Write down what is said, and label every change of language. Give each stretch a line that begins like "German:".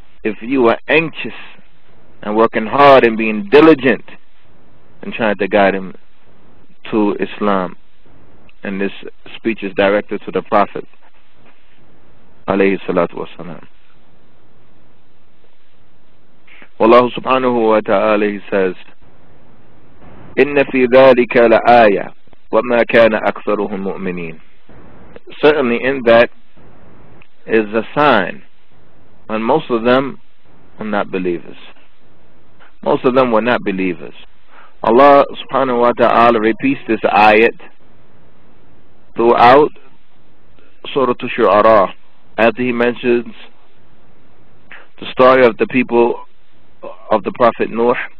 English: If you are anxious and working hard and being diligent and trying to guide him to Islam, and this speech is directed to the Prophet
Arabic: عليه الصلاة والسلام. والله سبحانه وتعالى
English: he says,
Arabic: إِنَّ فِي ذَلِكَ لَآيَةٌ وَمَا كَانَ أَكْثَرُهُمْ مُؤْمِنِينَ.
English: Certainly in that is a sign, and most of them are not believers. Most of them were not believers. Allah subhanahu wa ta'ala repeats this ayat throughout Surah Ash-Shu'ara, after he mentions the story of the people of the Prophet Nuh.